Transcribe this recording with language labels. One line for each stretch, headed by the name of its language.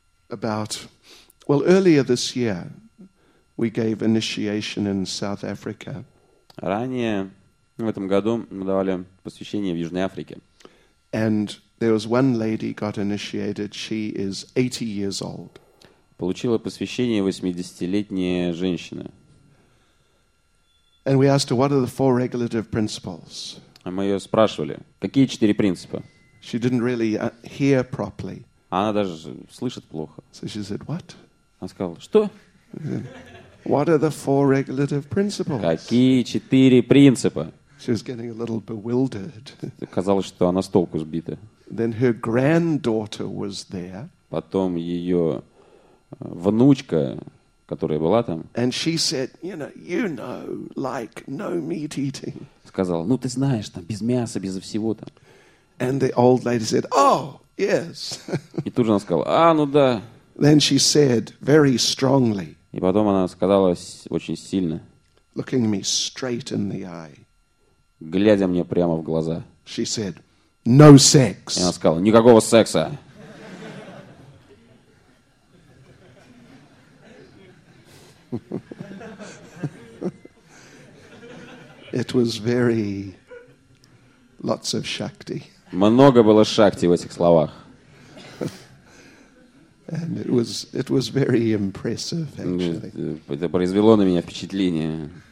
English: About, well, earlier this year, we gave initiation in South Africa.
Russian: Ранее в этом году мы давали посвящение в Южной Африке.
English: And there was one lady got initiated. She is 80 years old.
Russian: Получила посвящение 80-летняя женщина.
English: And we asked her, what are the four regulative principles?
Russian: А мы ее спрашивали, какие четыре принципа?
English: She didn't really hear properly.
Russian: Она даже слышит плохо.
English: So she said, what?
Russian: Она сказала, что?
English: What are the four regulative principles?
Russian: Какие четыре принципа?
English: She was getting a little bewildered.
Russian: Казалось, что она с толку сбита.
English: Then her granddaughter was there.
Russian: Потом ее внучка, которая была там.
English: And she said, you know, like no meat eating.
Russian: Сказала, ну ты знаешь, там без мяса, без всего там.
English: And the old lady said, oh, yes.
Russian: И тут же она сказала, а, ну да.
English: Then she said very strongly.
Russian: И потом она сказала очень сильно.
English: Looking me straight in the eye.
Russian: Глядя мне прямо в глаза.
English: She said, no sex.
Russian: И она сказала, никакого секса.
English: It was very lots of shakti.
Russian: Много было шакти в этих словах.
English: And it was very impressive, actually.
Russian: Это произвело на меня впечатление.